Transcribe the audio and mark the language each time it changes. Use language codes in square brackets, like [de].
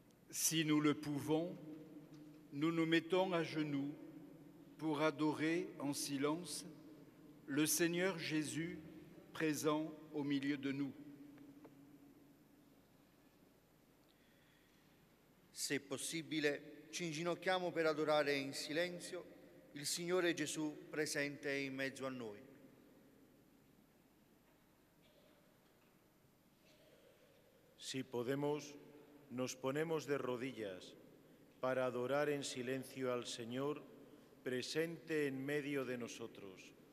[fr] Si nous le pouvons, nous nous mettons à genoux pour adorer en silence le Seigneur Jésus présent au milieu de nous. [it] Se possibile, ci inginocchiamo per adorare in silenzio il Signore Gesù presente in mezzo a noi. [es] Si podemos, nos ponemos de rodillas para adorar en silencio al Señor presente en medio de nosotros.